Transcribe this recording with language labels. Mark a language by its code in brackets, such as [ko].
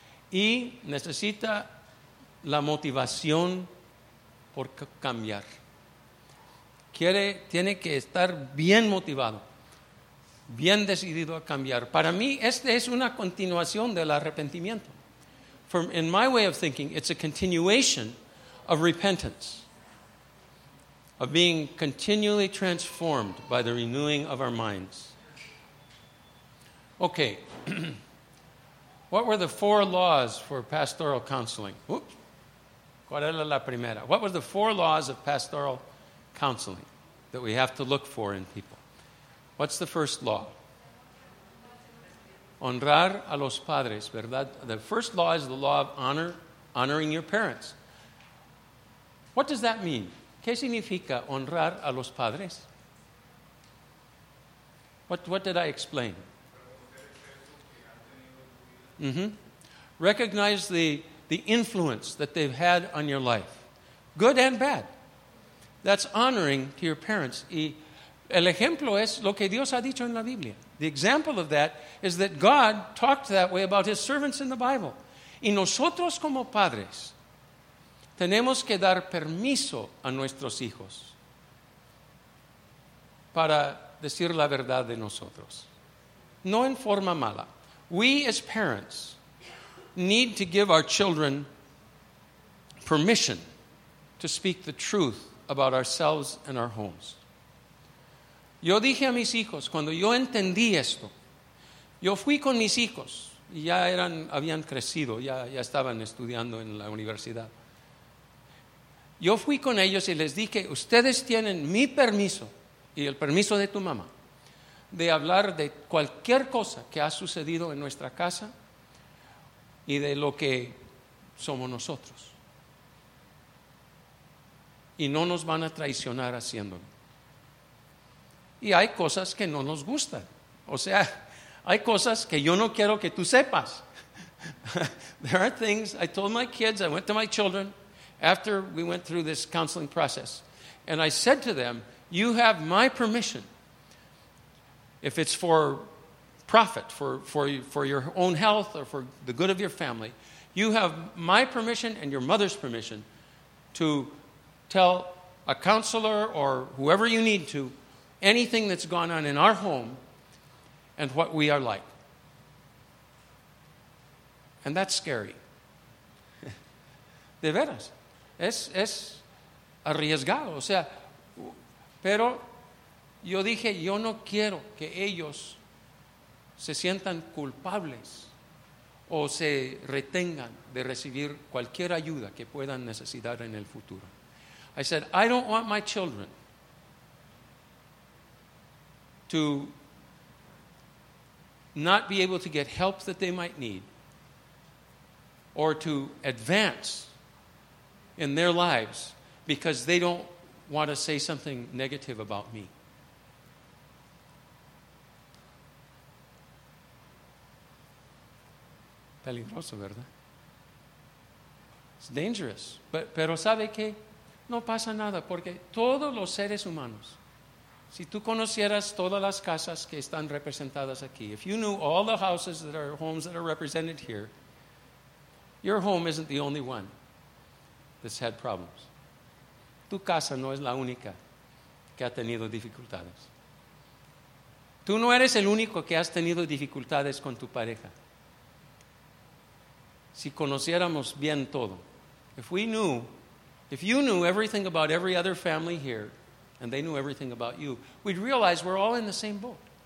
[es] Y necesita la motivación por cambiar. Tiene que estar bien motivado, bien decidido a cambiar. Para mí, este es una continuación del arrepentimiento. [en] In my way of thinking, it's a continuation of repentance. of being continually transformed by the renewing of our minds. Okay. What were the four laws for pastoral counseling? Oops. [es] ¿Cuál era la primera? [en] What were the four laws of pastoral counseling that we have to look for in people? What's the first law? [es] Honrar a los padres, ¿verdad? [en] The first law is the law of honor, honoring your parents. What does that mean? [es] ¿Qué significa honrar a los padres? [en] What did I explain? Mm-hmm. Recognize the influence that they've had on your life, good and bad. That's honoring to your parents. [es] Y el ejemplo es lo que Dios ha dicho en la Biblia. [en] The example of that is that God talked that way about his servants in the Bible. [es] Y nosotros como padres tenemos que dar permiso a nuestros hijos para decir la verdad de nosotros. No en forma mala. [en] We as parents need to give our children permission to speak the truth about ourselves and our homes. [es] Yo dije a mis hijos, cuando yo entendí esto, yo fui con mis hijos, ya eran, habían crecido, ya estaban estudiando en la universidad. Yo fui con ellos y les dije, ustedes tienen mi permiso y el permiso de tu mamá de hablar de cualquier cosa que ha sucedido en nuestra casa y de lo que somos nosotros. Y no nos van a traicionar haciéndolo. Y hay cosas que no nos gustan. O sea, hay cosas que yo no quiero que tú sepas. [en] There are things, I told my kids, I went to my children after we went through this counseling process, and I said to them, you have my permission. If it's for profit, for your own health or for the good of your family, you have my permission and your mother's permission to tell a counselor or whoever you need to anything that's gone on in our home and what we are like. And that's scary. [es] De veras. Es arriesgado. O sea, pero yo dije, yo no quiero que ellos se sientan culpables o se retengan de recibir cualquier ayuda que puedan necesitar en el futuro. [en] I said, I don't want my children to not be able to get help that they might need or to advance in their lives because they don't want to say something negative about me. [es] Peligroso, ¿verdad? [en] It's dangerous. [es] Pero ¿sabe qué? No pasa nada, porque todos los seres humanos, si tú conocieras todas las casas que están representadas aquí, [en] if you knew all the houses that are homes that are represented here, your home isn't the only one that's had problems. [es] Tu casa no es la única que ha tenido dificultades. Tú no eres el único que has tenido dificultades con tu pareja. Si conociéramos bien todo, [en] if you knew everything about every other family here and they knew everything about you, we'd realize we're all in the same boat.